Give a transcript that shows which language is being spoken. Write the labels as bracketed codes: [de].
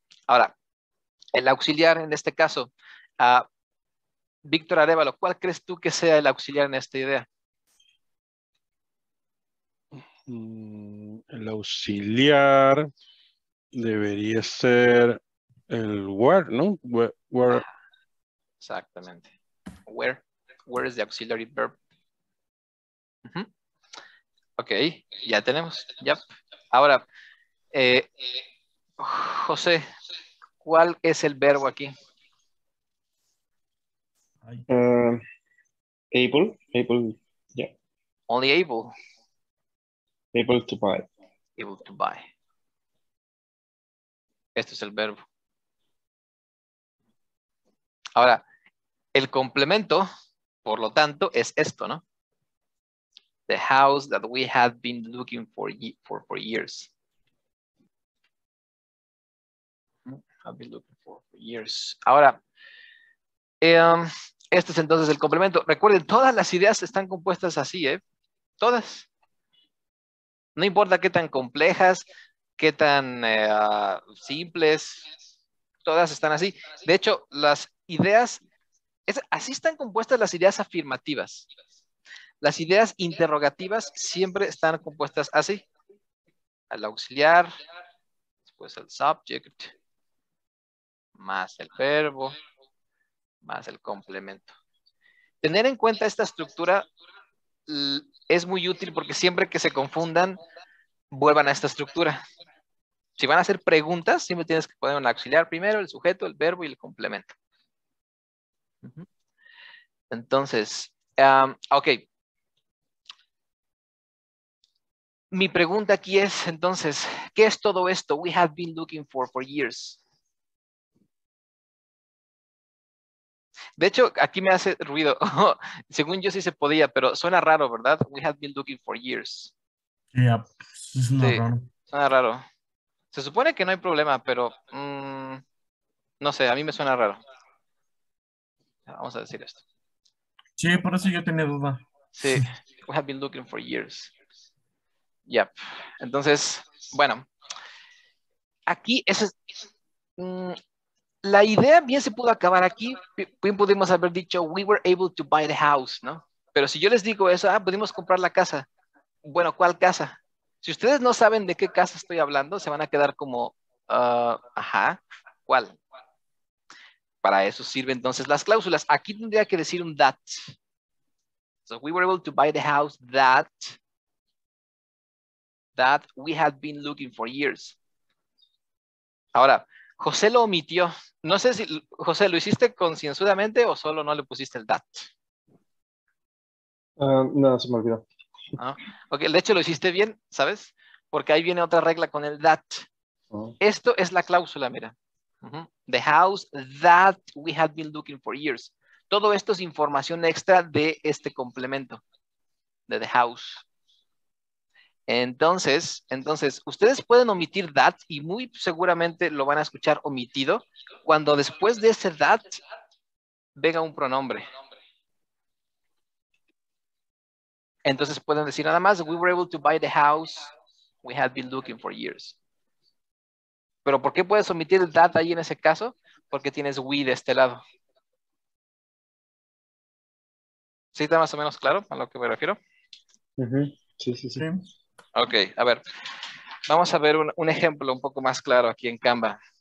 [es] Ahora, el auxiliar en este caso, Víctor Arévalo, ¿cuál crees tú que sea el auxiliar en esta idea? El auxiliar debería ser el where, ¿no? [en] Where. [es] Exactamente. [en] Where is the auxiliary verb? [es] Uh-huh. Ok, ya tenemos. Yep. Ahora, José, ¿cuál es el verbo aquí? [en] Able, yeah. Only able. Able to buy. Able to buy. [es] Este es el verbo. Ahora, el complemento, por lo tanto, es esto, ¿no? [en] The house that we had been looking for years. I've been looking for years. [es] Ahora, este es entonces el complemento. Recuerden, todas las ideas están compuestas así, ¿eh? Todas. No importa qué tan complejas, qué tan simples, todas están así. De hecho, las ideas, así están compuestas las ideas afirmativas. Las ideas interrogativas siempre están compuestas así. Al auxiliar, después el subject, más el verbo, más el complemento. Tener en cuenta esta estructura es muy útil porque siempre que se confundan, vuelvan a esta estructura. Si van a hacer preguntas, siempre tienes que poner un auxiliar primero, el sujeto, el verbo y el complemento. Entonces, ok. Mi pregunta aquí es, entonces, ¿qué es todo esto? [en] We have been looking for years. [es] De hecho, aquí me hace ruido. Según yo sí se podía, pero suena raro, ¿verdad? [en] We have been looking for years. [es] Yeah. Sí, suena raro. Se supone que no hay problema, pero no sé, a mí me suena raro. Vamos a decir esto. Sí, por eso yo tenía duda. Sí, [en] we have been looking for years. [es] Yep. Entonces, bueno. Aquí es... la idea bien se pudo acabar aquí. Bien pudimos haber dicho, [en] we were able to buy the house, [es] ¿no? Pero si yo les digo eso, pudimos comprar la casa. Bueno, ¿cuál casa? Si ustedes no saben de qué casa estoy hablando, se van a quedar como, ajá, ¿cuál? Para eso sirven entonces las cláusulas. Aquí tendría que decir un that. [en] So we were able to buy the house that we had been looking for years. [es] Ahora, José lo omitió. No sé si, José, ¿lo hiciste concienzudamente o solo no le pusiste el that? No, se me olvidó. ¿No? Ok, de hecho lo hiciste bien, ¿sabes? Porque ahí viene otra regla con el that. Uh-huh. Esto es la cláusula, mira. Uh-huh. [en] The house that we had been looking for years. [es] Todo esto es información extra de este complemento. De [en] the house. [es] Entonces, ustedes pueden omitir that y muy seguramente lo van a escuchar omitido cuando después de ese that venga un pronombre. Entonces pueden decir nada más, [en] we were able to buy the house we had been looking for years. [es] Pero ¿por qué puedes omitir el that ahí en ese caso? Porque tienes we de este lado. ¿Sí está más o menos claro a lo que me refiero? Uh-huh. Sí. Ok, a ver. Vamos a ver un ejemplo un poco más claro aquí en Canva.